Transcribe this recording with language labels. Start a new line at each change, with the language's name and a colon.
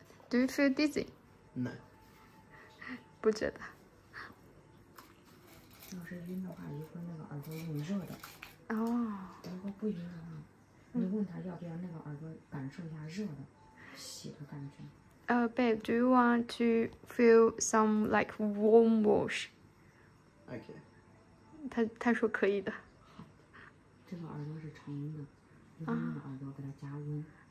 English: ？Do you feel dizzy? No.
Chinese: 不觉得。要是晕的话，一会儿那个耳朵容易热的。哦。如果不晕的话，你问他要不要那个耳朵感受一下热的，洗的感觉。
English: Babe, do you want to feel some like warm wash? Okay.
Chinese: 他说可以的。这个耳朵是常温的，用那个耳朵给它加温。